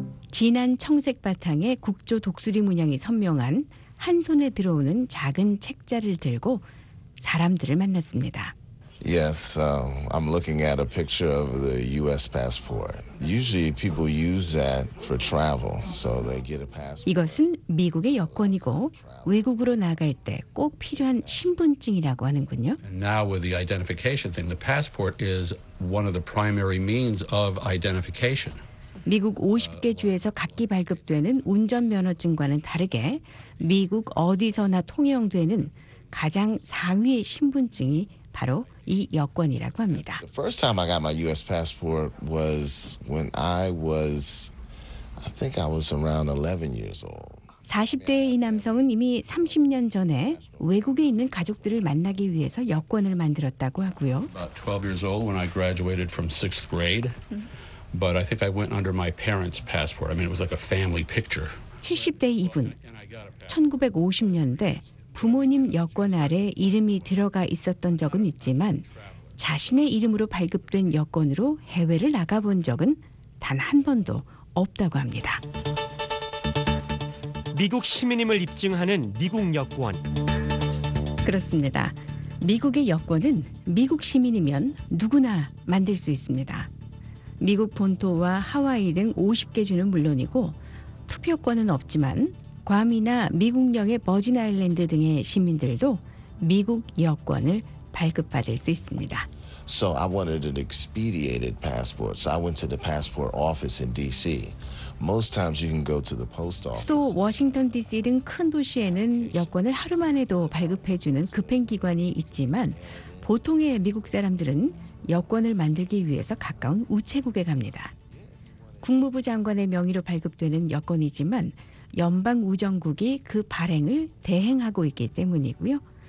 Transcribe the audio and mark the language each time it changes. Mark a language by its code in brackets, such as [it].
[ko] 진한 청색 바탕에 국조 독수리 문양이 선명한 한 손에 들어오는 작은 책자를 들고 사람들을 만났습니다. [en] Yes, I'm looking at a picture of the U.S. passport. Usually people use that for travel, so they get a passport. [ko] 이것은 미국의 여권이고 외국으로 나갈 때 꼭 필요한 신분증이라고 하는군요. [en] And now with the identification thing, the passport is one of the primary means of identification. [ko] 미국 50개 주에서 각기 발급되는 운전면허증과는 다르게 미국 어디서나 통용되는 가장 상위의 신분증이 바로 이 여권이라고 합니다. [en] The first time I got my U.S. passport was when I was, I think I was around 11 years old. [ko] 40대의 이 남성은 이미 30년 전에 외국에 있는 가족들을 만나기 위해서 여권을 만들었다고 하고요. [en] About 12 years old when I graduated from 6th grade. But I think I went under my parents' passport. I mean, it was like a family picture. [ko] 70대 이분, 1950년대 부모님 여권 아래 이름이 들어가 있었던 적은 있지만 자신의 이름으로 발급된 여권으로 해외를 나가본 적은 단 한 번도 없다고 합니다. 미국 시민임을 입증하는 미국 여권. 그렇습니다. 미국의 여권은 미국 시민이면 누구나 만들 수 있습니다. 미국 본토와 하와이 등 50개 주는 물론이고 투표권은 없지만 괌이나 미국령의 버진아일랜드 등의 시민들도 미국 여권을 발급받을 수 있습니다. [en] So I wanted an expedited passport. So I went to the passport office in D.C. Most times you can go to the post office. [ko] 수도 워싱턴 D.C. 등 큰 도시에는 여권을 하루만에도 발급해주는 급행기관이 있지만 보통의 미국 사람들은 여권을 만들기 위해서 가까운 우체국에 갑니다. 국무부 장관의 명의로 발급되는 여권이지만 연방 우정국이 그 발행을 대행하고 있기 때문이고요.